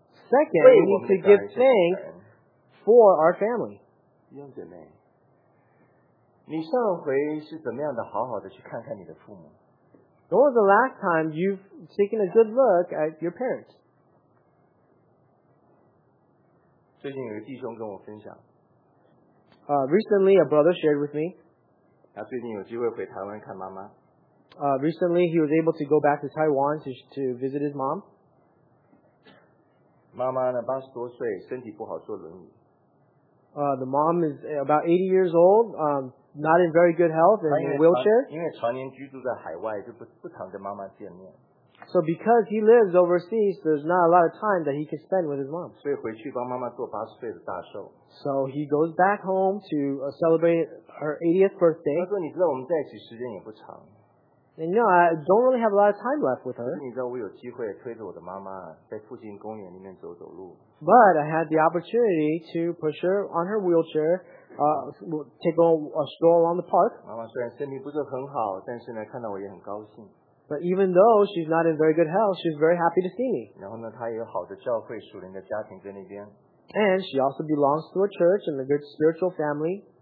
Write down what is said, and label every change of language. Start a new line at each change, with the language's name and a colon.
English: Second, we need to give thanks for our family.
Chinese: 你上回是怎么样的好好的去看看你的父母？
English: When was the last time you've taken a good look at your parents?
Chinese: 最近有个弟兄跟我分享,
English: recently, a brother shared with me.
Chinese: 他最近有机会回台湾看妈妈,
English: recently, he was able to go back to Taiwan to visit his mom.
Chinese: 妈妈呢, 80多岁, 身体不好, 坐轮椅,
English: the mom is about 80 years old. Not in very good health, and in a wheelchair.
Chinese: 因为常年居住在海外，就不常跟妈妈见面。
English: So because he lives overseas, there's not a lot of time that he can spend with his mom.
Chinese: 所以回去帮妈妈做80岁的大寿。
English: So he goes back home to celebrate her 80th birthday.
Chinese: 他说你知道我们在一起时间也不长。
English: And you know, I don't really have a lot of time left with her.
Chinese: 你知道我有机会推着我的妈妈在附近公园里面走走路。
English: But I had the opportunity to push her on her wheelchair. Take a stroll around the park.
Chinese: 妈妈虽然身体不是很好，但是呢，看到我也很高兴。
English: But even though she's not in very good health, she's very happy to see me.
Chinese: 然后呢，她也有好的教会属灵的家庭在那边。
English: And she also belongs to a church and a good spiritual family.